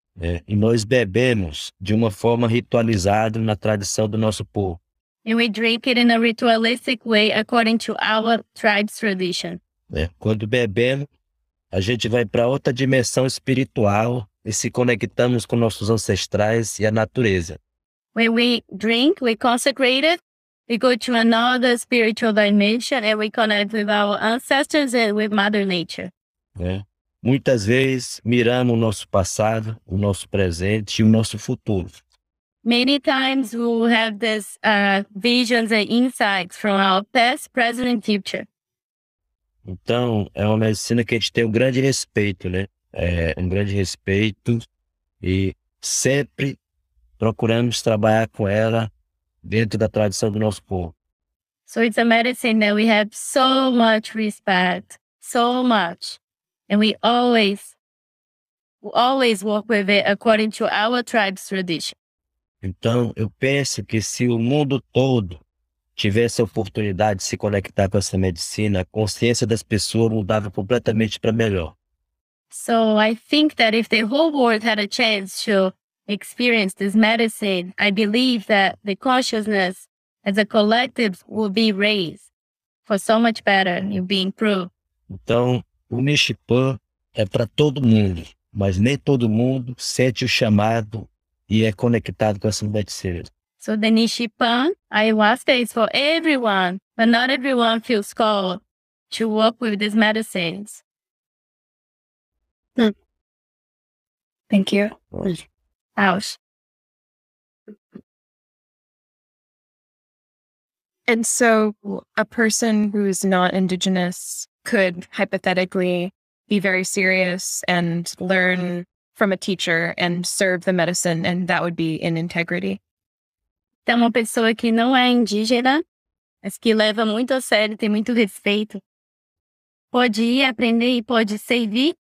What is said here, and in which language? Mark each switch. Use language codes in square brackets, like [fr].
[pt] É, e nós bebemos de uma forma ritualizada na tradição do nosso povo. [en] And we drink it in a ritualistic way according to our tribe's tradition. [pt] É, quando bebemos, a gente vai para outra dimensão espiritual. E se conectamos com nossos ancestrais e a natureza. [en] When we drink, we consecrate it, we go to another spiritual dimension and we connect with our ancestors and with Mother Nature. [pt] É. Muitas vezes miramos o nosso passado, o nosso presente e o nosso futuro. [en] Many times we have these visions and insights from our past, present and future. [pt] Então, é uma medicina que a gente tem um grande respeito, né? É, um grande respeito e sempre procuramos trabalhar com ela dentro da tradição do nosso povo. [en] So it's a medicine that we have so much respect, so much. And we always, always work with it according to our tribe's tradition. [pt] Então, eu penso que se o mundo todo tivesse a oportunidade de se conectar com essa medicina, a consciência das pessoas mudava completamente para melhor. [en] So I think that if the whole world had a chance to experience this medicine, I believe that the consciousness as a collective will be raised for so much better and be improved. [pt] Então, o Nishipu é para todo mundo, mas nem todo mundo sente o chamado e é conectado com essa medicina. [en] So the Nishipu ayahuasca is for everyone, but not everyone feels called to work with these medicines. Thank you. Ouch. And so a person who is not indigenous could hypothetically be very serious and learn from a teacher and serve the medicine, and that would be in integrity. [pt] Então, uma pessoa que não é indígena, mas que leva muito a sério, tem muito respeito, pode ir aprender e pode servir.